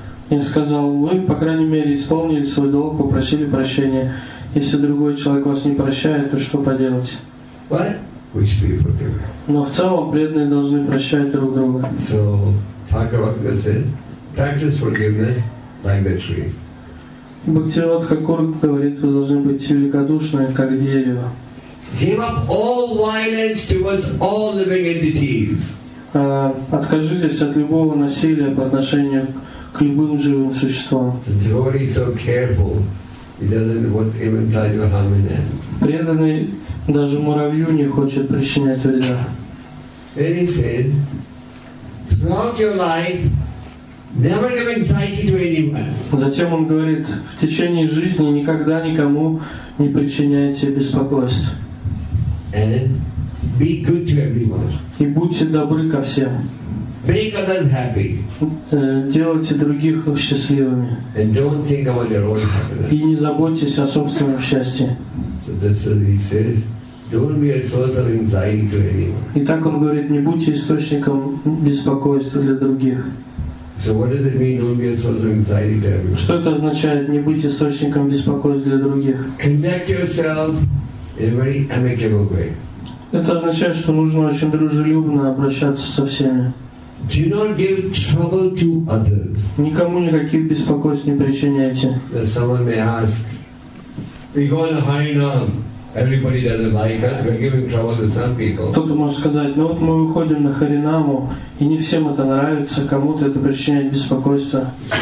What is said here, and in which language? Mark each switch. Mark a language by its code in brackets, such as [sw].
[ru] Я сказал, вы, по крайней мере, исполнили свой долг, попросили прощения. Если другой человек вас не прощает, то что поделать? [en] We should be forgiven. [ru] Но в целом преданные должны прощать друг друга. [en] So, Bhagavad Gita says, practice forgiveness like the tree. [ru] Бхактивинода говорит, вы должны быть великодушны, как дерево. [en] Give up all violence towards all living entities. [ru] Откажитесь от любого насилия по отношению к любым живым существам. [en] The devotee is so careful, he doesn't want even try to harm an end. [ru] Даже муравью не хочет причинять вреда. [en] And he said, throughout your life, never give anxiety to anyone. [ru] Затем он говорит, в течение жизни никогда никому не причиняйте беспокойств. [en] And be good to everyone. [ru] И будьте добры ко всем. [en] Make others happy. [ru] Делайте других счастливыми. [en] And don't think about your own happiness. [ru] И не заботьтесь о собственном счастье. [en] So that's what he says. Don't be a source of anxiety to anyone. [ru] И так он говорит, не будьте источником беспокойства для других. [en] So what does it mean, don't be a source of anxiety to everyone? [ru] Что это означает, не быть источником беспокойства для других? [en] Conduct yourself in a very amicable way. [ru] Это означает, что нужно очень дружелюбно обращаться со всеми. [en] Do not give trouble to others. [ru] Никому никаких беспокойств не причиняйте. [en] If someone may ask, we go on a high enough. Everybody doesn't like us. We're giving trouble to some people. [ru] Кто-то может сказать, ну вот мы выходим на Харинаму, и не всем это нравится, кому-то это причиняет беспокойство.